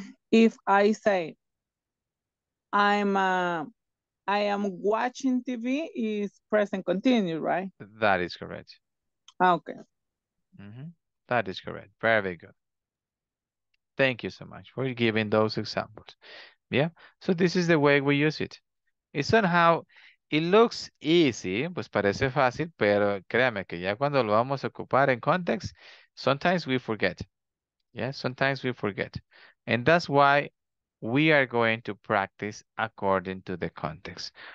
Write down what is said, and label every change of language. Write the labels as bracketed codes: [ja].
[en] If I say I am watching TV, is present continuous, right? That is correct. Okay. Mm-hmm. That is correct. Very good. Thank you so much for giving those examples. Yeah. So this is the way we use it. It somehow, it looks easy, [es] pues parece fácil, pero créame que ya cuando lo vamos a ocupar en [en] context, sometimes we forget. Yeah, sometimes we forget. And that's why we are going to practice according to the context.